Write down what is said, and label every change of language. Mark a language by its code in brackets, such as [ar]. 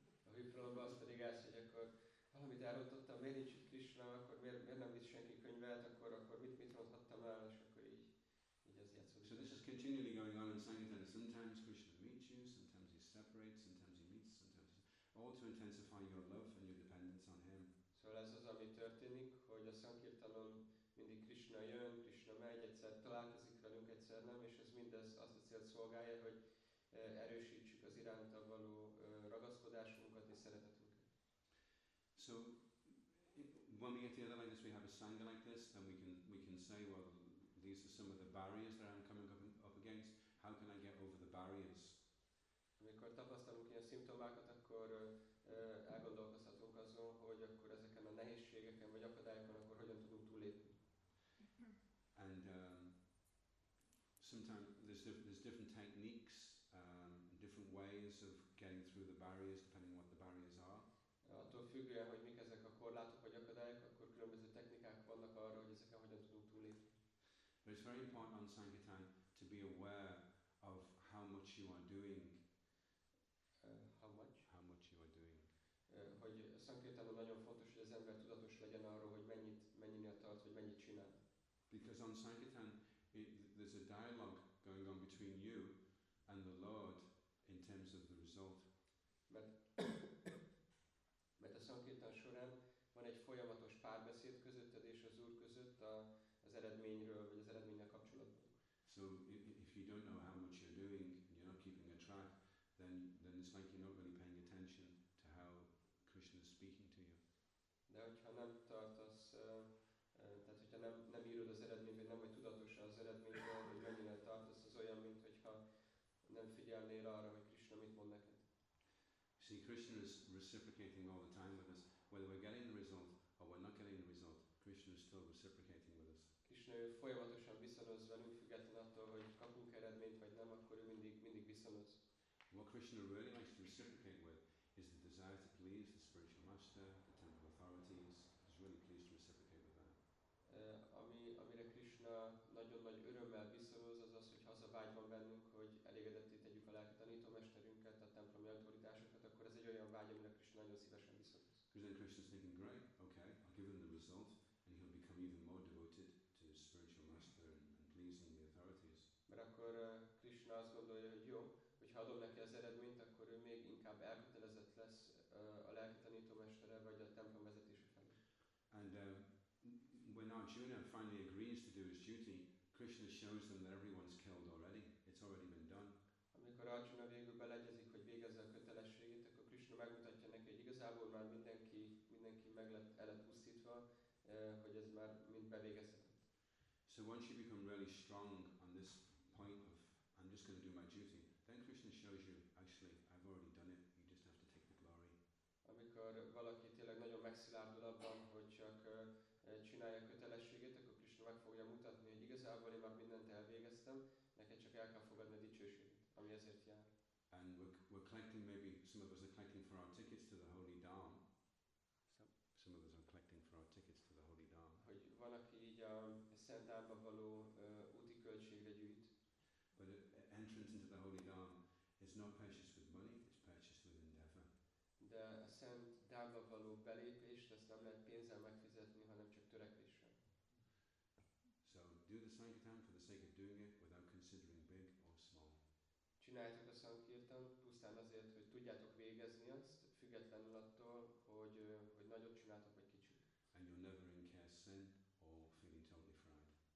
[hu] A Vipra Lambar azt pedig ezt, hogy akkor valamit elrontottam, miért nincs itt Krishna, akkor miért nem visz senki könyvet, akkor mit rontottam el, és akkor így az játszódik. [en] So this is continually going on in Sankirtana. Sometimes Krishna meets you, sometimes he separates, sometimes he meets, sometimes all to intensify your love and your dependence on him. [hu] Szóval ez az, ami történik, hogy a Sankirtanon mindig Krishna jön, Krishna megy, egyszer találkozik velünk, egyszer nem, és ez mindez azt a célt szolgálja, hogy erősítsük az iránta való ragaszkodásunkat és szeretetünket. [en] So, when we get together like this, we have a sangha like this, then we can say, well, these are some of the barriers that I'm coming up against. How can I get over the barriers? [hu] Amikor tapasztalunk ilyen szimptomákat, akkor elgondolkozhatunk azon, hogy akkor ezeken a nehézségeken vagy akadályokon, akkor hogyan tudunk túlélni. [en] And sometimes there's different techniques, different ways of getting through the barriers, depending on what the barriers are. [hu] Attól függően, hogy mik ezek a korlátok vagy akadályok, akkor különböző technikák vannak arra, hogy ezeken hogyan tudunk túlélni. [en] But it's very important on Sankirtan to be aware of how much you are doing. How much you are doing. [hu] Hogy a Sankirtanon nagyon fontos, hogy az ember tudatos legyen arról, hogy mennyinél tart, hogy mennyit csinál. [en] Because on Sankirtan there's a dialogue going on between you and the Lord in terms of the result. [hu] Mert a szankirtan során van egy folyamatos párbeszéd közötted és az Úr között az eredményről, vagy az eredménnyel kapcsolatban. [en] So So if you don't know how much you're doing and you're not keeping a track, then it's like you're not really paying attention to how Krishna is speaking to you. [hu] De hogyha nem tartasz, tehát hogyha nem írod az eredményt, nem vagy tudatos az eredményben, hogy mennyire tartasz, az olyan, mint hogyha nem figyelnél arra, hogy Krishna mit mond neked. [en] See, Krishna is reciprocating all the time with us. Whether we're getting the result or we're not getting the result, Krishna is still reciprocating with us. [hu] Krishna folyamatosan viszonoz velünk, független attól, hogy kapunk eredményt vagy nem, akkor ő mindig viszonoz. [en] What Krishna really likes to reciprocate with is the desire to please the spiritual master, the temple authorities. He's really pleased to reciprocate with that. [hu] Amire Krishna nagyon nagy örömmel viszonoz, az, hogy ha az a vágy van bennünk, hogy elégedetté tegyük a lelki tanítómesterünket, a templomi autoritásokat, akkor ez egy olyan vágy, amire Krishna nagyon szívesen viszonoz. [en] Because then Krishna is thinking, great, okay, I'll give him the result, and he'll become even more devoted to his spiritual master and pleasing the authorities. [hu] Mert akkor Krishna azt gondolja, hogy jó, hogyha adom neki az eredményt, akkor ő még inkább elkötelezett lesz a lelki tanítómestere vagy a templom vezetése felé. [en] And when Arjuna finally agrees to do his duty, Krishna shows them that everyone's killed already. It's already been done. [hu] Amikor Arjuna végül beleegyezik, hogy végezze a kötelességét, akkor Krishna megmutatja neki, hogy igazából már mindenki meg lett elpusztítva, hogy ez már mind bevégezhetett. [en] So once you become really strong on this point of I'm just going to do my duty, then Krishna shows you, actually, I've already done it, you just have to take the glory. [hu] Amikor valaki tényleg nagyon megszilárdul abban, hogy csak csinálja a kötelességét, akkor Krishna meg fogja mutatni, hogy igazából én már mindent elvégeztem, neked csak el kell fogadni a dicsőséget, ami ezért jár. [en] And we're collecting, maybe some of us are collecting for our tickets to the Holy Dharm. Some of us are collecting for our tickets to the Holy Dharm. [hu] Hogy van, aki így a Szent Dharmba való úti költségre gyűjt. [en] But entrance into the Holy Dharm is not purchased with money, it's purchased with endeavor. [hu] De a Szent Dharmba való belépést, ezt nem lehet pénzzel megfizetni, hanem csak törekvéssel. [en] So do the Sankirtan for the sake of doing it without considering big or small. [hu] Csináljátok a Sankirtan pusztán azért, hogy tudjátok végezni azt, függetlenül attól, hogy nagyot csináltok vagy kicsit. [en] And you'll never incur sin or feeling totally fried.